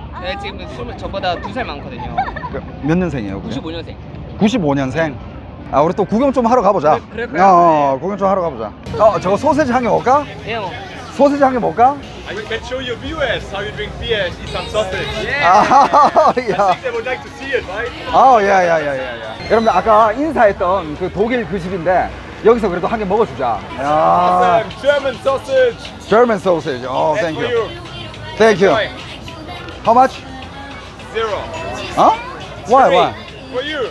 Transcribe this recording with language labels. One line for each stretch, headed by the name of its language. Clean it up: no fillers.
Korean: 네, 지금 20, 저보다 2살 많거든요. 몇 년생이에요? 그게? 95년생. 95년생. 아, 우리 또 구경 좀 하러 가보자. 그래. 네. 구경 좀 하러 가보자. 저거 소세지 한 개 먹을까? 네, 형. 소세지 한 개 먹을까?
English: I can show your viewers how you drink beer, eat some sausage. Yeah. I think they would like to see it, right? Oh, yeah, yeah, yeah, yeah.
Korean: 여러분들 아까 인사했던 그 독일 그 집인데 여기서 그래도 한 개 먹어주자.
English: Awesome. German sausage. German sausage. Oh, thank you. Thank you. How much? Zero. Huh? Why? Why? For you.